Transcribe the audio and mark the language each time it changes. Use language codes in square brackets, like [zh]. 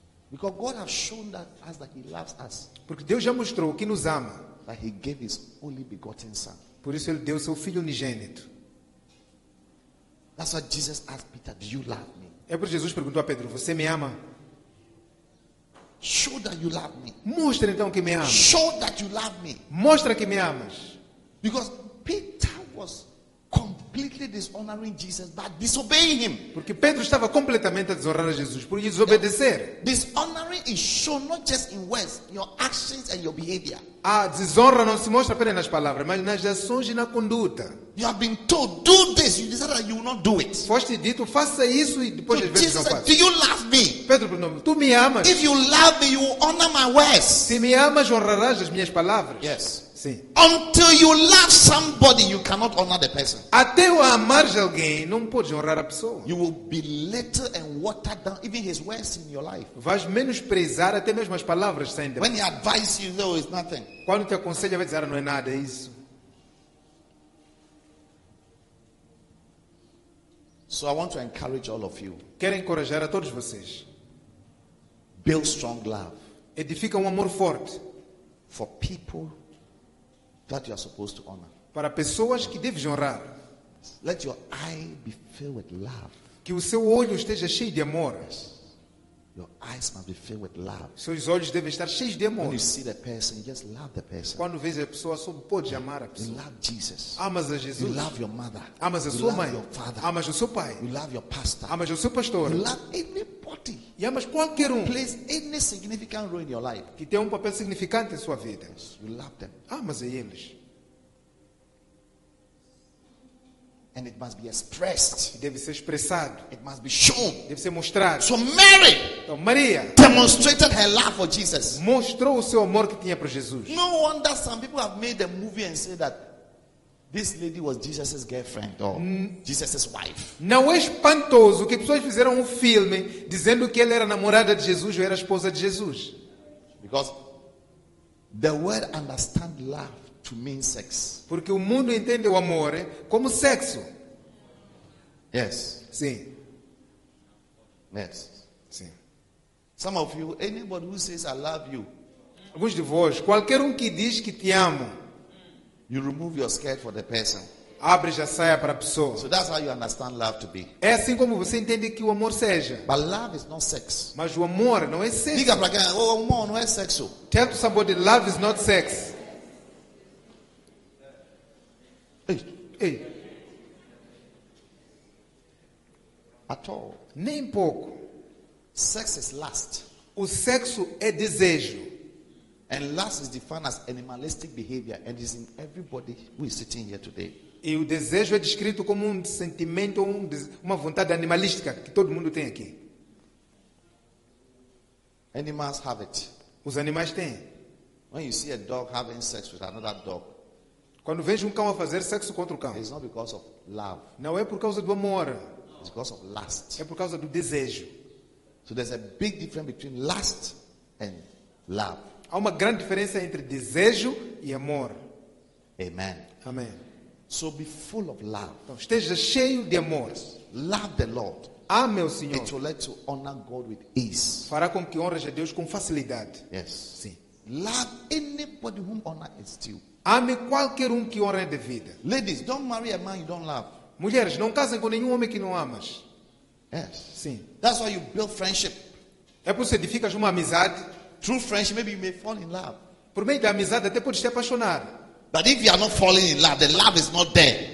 [en] Because God has shown that us that he loves us. [pt] Porque Deus já mostrou que nos ama. [en] That he gave his only begotten son. [pt] Por isso ele deu seu filho unigênito. [en] That's why Jesus asked Peter, do you love me? [pt] É porque Jesus perguntou a Pedro, você me ama? [en] Show that you love me. [pt] Mostra então que me amas. [en] Show that you love me. [pt] Mostra que me amas. [en] Because Peter was completely dishonoring Jesus by disobeying him. [pt] Porque Pedro estava completamente a desonrar a Jesus por desobedecer. [en] Dishonoring is shown not just in words, in your actions and your behavior. [pt] A desonra não se mostra apenas nas palavras, mas nas ações e na conduta. [en] You have been told do this, you decided that you will not do it. [pt] Foste dito faça isso e depois [en] so [pt] de vez não faça. [en] Do you love me? [pt] Pedro perguntou, tu me amas? [en] If you love me, you will honor my words. [pt] Se me amas, honrarás as minhas palavras. [en] Yes. [pt] Sim. [en] Until you love somebody, you cannot honor the person. [pt] Até o amar alguém, não pode honrar a pessoa. [en] You will be little and watered down, even his words in your life. [pt] Vais menosprezar até mesmo as palavras saindo. [en] When he advises you, though, it's nothing. [pt] Quando te aconselha, vai dizer, não é nada, é isso. [en] So I want to encourage all of you. [pt] Quero encorajar a todos vocês. [en] Build strong love. [pt] Edifica amor forte. [en] For people that you are supposed to honor. [pt] Para pessoas que deves honrar. [en] Let your eye be filled with love. [pt] Que o seu olho esteja cheio de amor. [en] Your eyes must be filled with love. [pt] Seus olhos devem estar cheios de amor. [en] When you see the person, you just love the person. [pt] Quando vês a pessoa, só pode amar a pessoa. [en] You love Jesus. [pt] Amas a Jesus. [en] You love your mother. [pt] Amas a [en] you [pt] sua [en] love [pt] mãe. [en] Your father. [pt] Amas o seu pai. [en] You love your pastor. [pt] Amas o seu pastor. [en] You love anybody. [pt] E amas qualquer um. [en] Plays any significant role in your life. [pt] Que tem papel significante em sua vida. [en] Yes, you love them. [pt] Amas a eles. [en] And it must be expressed. [pt] Deve ser expressado. [en] It must be shown. [pt] Deve ser mostrado. [en] So Mary, [pt] então Maria, [en] demonstrated her love for Jesus. [pt] Mostrou o seu amor que tinha para Jesus. [en] No wonder some people have made a movie and say that this lady was Jesus's girlfriend or Jesus's wife. [pt] Não é espantoso que pessoas fizeram filme dizendo que ela era namorada de Jesus ou era esposa de Jesus? [en] Because the world understand love. To mean sex. [pt] Porque o mundo entende o amor como sexo. [en] Yes. [pt] Sim. [en] Yes. [pt] Sim. [en] Some of you, anybody who says I love you. [pt] Alguns de vós, qualquer que diz que te amo. [en] You remove your skirt for the person. [pt] Abre a saia para a pessoa. [en] So that's how you understand love to be. [pt] É assim como você entende que o amor seja. [en] But love is not sex. [pt] Mas o amor não é sexo. Diga para quem, o amor não é sexo. [en] Tell to somebody, love is not sex. Ei. At all. [pt] Nem pouco. [en] Sex is lust. [pt] O sexo é desejo. [en] And lust is defined as animalistic behavior and is in everybody who is sitting here today. [pt] E o desejo é descrito como sentimento, uma vontade animalística que todo mundo tem aqui. [en] Animals have it. [pt] Os animais têm. [en] When you see a dog having sex with another dog, [pt] quando vejo cão a fazer sexo contra o cão, [en] it's not because of love. [pt] Não é por causa do amor. [en] It's because of lust. [pt] É por causa do desejo. [en] So there's a big difference between lust and love. [pt] Há uma grande diferença entre desejo e amor. [en] Amen. [pt] Amém. [en] So be full of love. [pt] Então, esteja cheio de amor. [en] Love the Lord. [pt] Ame o Senhor. [en] It will let you honor God with ease. [pt] Fará com que honres a Deus com facilidade. [en] Yes. [pt] Sim. [en] Love anybody whom honor is due. [pt] Ame qualquer que honre de vida. [en] Ladies, don't marry a man you don't love. [pt] Mulheres, não casem com nenhum homem que não amas. [en] Yes. [pt] Sim. [en] That's why you build friendship. [pt] É por isso que edificas uma amizade. [en] True friendship, maybe you may fall in love. [pt] Por meio da amizade, até podes te apaixonar. [en] But if you are not falling in love, the love is not there.